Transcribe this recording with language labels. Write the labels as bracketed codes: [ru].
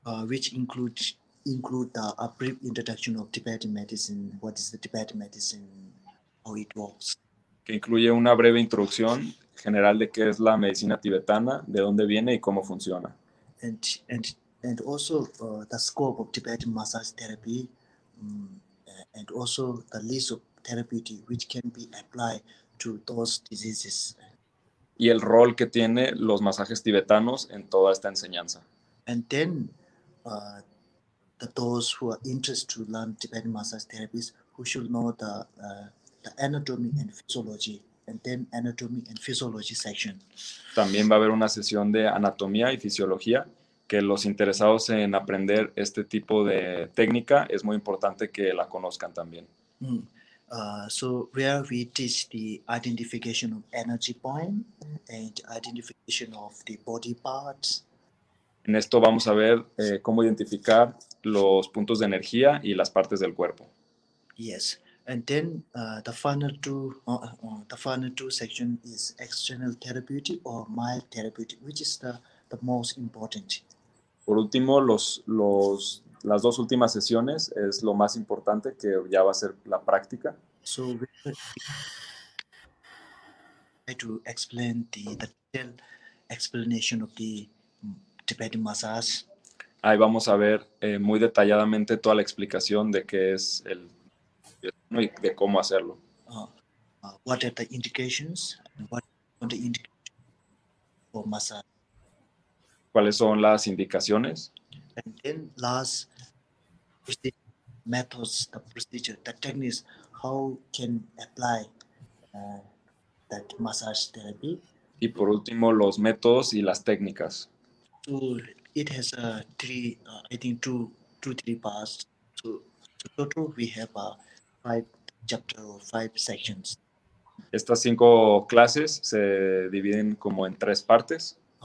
[en] Which includes a brief introduction of Tibetan medicine. What is the Tibetan medicine? How it works. [es] Que incluye una breve introducción general de qué es la medicina tibetana, de dónde viene y cómo funciona. [en] And also the scope of Tibetan massage therapy, and also the list of therapy which can be applied to those diseases. [es] Y el rol que tiene los masajes tibetanos en toda esta enseñanza. [en] And then those who are interested to learn Tibetan massage therapies who should know the anatomy and physiology. and then anatomy and physiology section. [es] También va a haber una sesión de anatomía y fisiología, que los interesados en aprender este tipo de técnica es muy importante que la conozcan también. [en] So where we teach the identification of energy point and identification of the body parts. [es] En esto vamos a ver cómo identificar los puntos de energía y las partes del cuerpo. [en] Yes, and then the final two section is external therapeutic or mild therapeutic, which is the most important. [es] Por último, las dos últimas sesiones es lo más importante, que ya va a ser la práctica. [en] So we try to explain the detailed explanation of the Tibetan massage. [es] Ahí vamos a ver muy detalladamente toda la explicación de qué es el y de cómo hacerlo. [en] What are the indications? What are the indications for massage? [es] ¿Cuáles son las indicaciones? [en] And then last, methods, the procedure, the techniques, how can apply that massage therapy? [es] Y por último, los métodos y las técnicas. [en] So it has two, three parts. So total we have five sections. [es] Estas cinco clases se dividen como en tres partes.